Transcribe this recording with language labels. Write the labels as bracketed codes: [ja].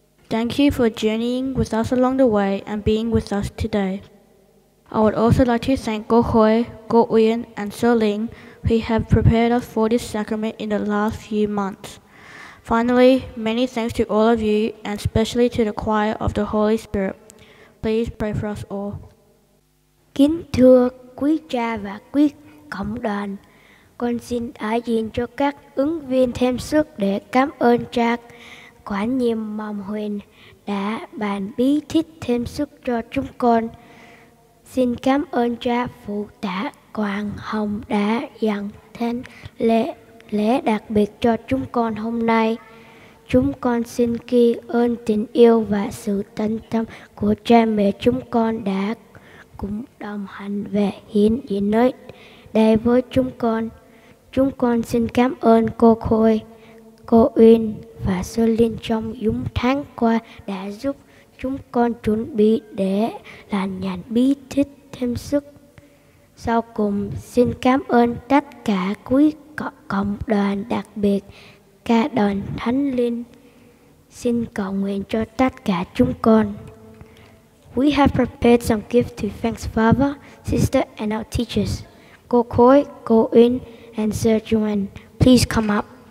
[en] Thank you for journeying with us along the way and being with us today. I would also like to thank Go Hoi, Go Uyen, and Sir Ling, who have prepared us for this sacrament in the last few months. Finally, many thanks to all of you, and especially to the choir of the Holy Spirit. Please pray for us all. [vi] Kính thưa quý cha và quý cộng đoàn, con xin đại diện cho các ứng viên thêm sức để cảm ơn cha quản nhiệm Mầm Huyền đã bàn bí tích thêm sức cho chúng con. Xin cảm ơn cha phụ tá Quang Hồng đã dành thánh lễ đặc biệt cho chúng con hôm nay. Chúng con xin ghi ơn tình yêu và sự tận tâm của cha mẹ chúng con đã cùng đồng hành về hiện diện nơi đây với chúng con. Chúng con xin cảm ơn cô Khôi, cô Uyên và Sơ Linh trong những tháng qua đã giúp chúng con chuẩn bị để làm nhàn bí tích thêm sức. Sau cùng, xin cảm ơn tất cả quý cộng đoàn, đặc biệt ca đoàn Thánh Linh. Xin cầu nguyện cho tất cả chúng con. [en] We have prepared some gifts to thank Father, Sister, and our teachers. Go Khôi, Go Uyên, and Sir Juan, please come up.